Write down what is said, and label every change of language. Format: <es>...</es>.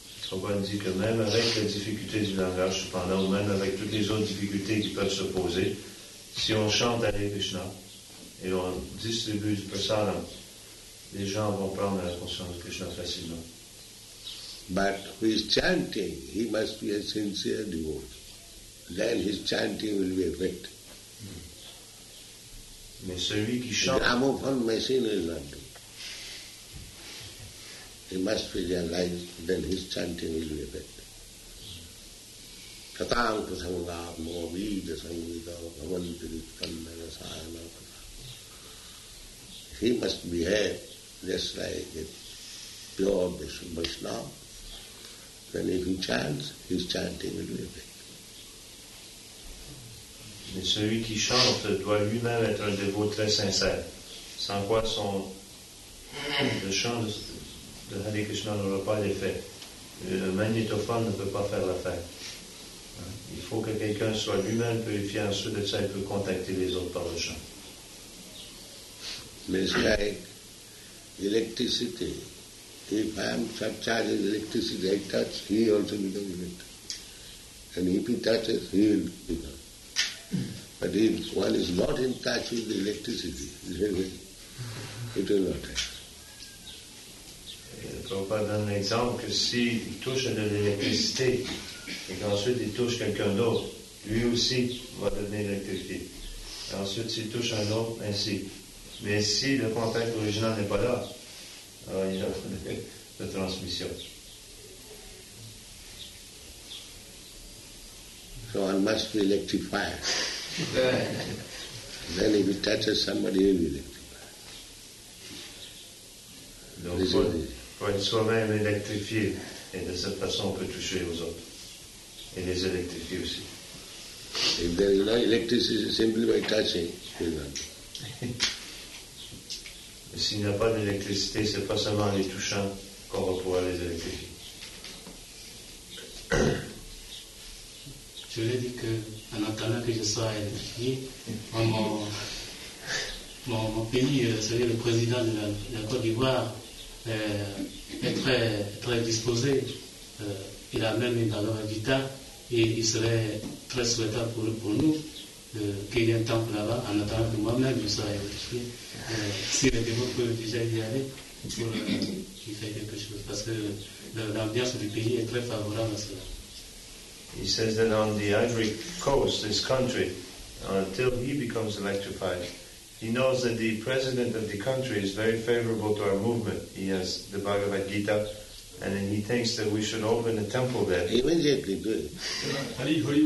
<fr>Prabhupada dit que même avec la difficulté du langage, cependant, ou même avec toutes les autres difficultés qui peuvent se poser, si on chante Hare Krishna et on distribue du prasada, les gens vont prendre la conscience de Krishna facilement.</fr> <en>But who is chanting, he must be a sincere devotee. Then his chanting will be effective.</en> <fr>Mais celui qui chante...</fr> <en>Gramophone machine is not doing. He must be realized, then his chanting will be effective. Katanka sangha mo vida sangita bhavantirit kandana sahana kata. He must behave just like a pure Vaishnava. Then if he chants, his chanting will be effective.</en> <fr>Mais celui qui chante doit lui-même être un dévot très sincère, sans quoi son le chant de Hare Krishna n'aura pas d'effet. Le magnétophone ne peut pas faire l'affaire. Il faut que quelqu'un soit lui-même purifié, ensuite de ça, il peut contacter les autres par le chant. Mais c'est</fr> <en>like l'électricité. If I am subcharging electricity, I touch, he also becomes electric. And if he touches, he will become. But if one is not in touch with the electricity, it will not act.</en> <fr>Prabhupada donne l'exemple que s'il touche de l'électricité et qu'ensuite il touche quelqu'un d'autre, lui aussi va devenir électrifié. Et ensuite s'il touche un autre, ainsi. Mais si le contact original n'est pas là, alors il y a de transmission.</fr> <en>So one must be electrified. Then if he touches somebody, he'll be electrified.</en> <fr>Donc, pour être soi-même électrifié, et de cette façon on peut toucher aux autres. Et les électrifier aussi.</fr> <en>If there is no electricity, simply by touching, he'll not.</en> <fr>Mais s'il n'y a pas d'électricité, c'est pas seulement en les touchant qu'on va pouvoir les électrifier. Je lui ai dit que, en attendant que je sois électrifié, mon pays, c'est-à-dire le président de la Côte d'Ivoire, est très, très disposé. Il a même une valeur vitale et il serait très souhaitable pour nous qu'il y ait un temple là-bas, en attendant que moi-même je sois électrifié. Si le dévot peut déjà y aller, pour qu'il fasse quelque chose. Parce que l'ambiance du pays est très favorable à cela.</fr> <en>He says that on the Ivory Coast, this country, until he becomes electrified, he knows that the president of the country is very favorable to our movement. He has the Bhagavad Gita, and then he thinks that we should open a temple there. Immediately do it.</en>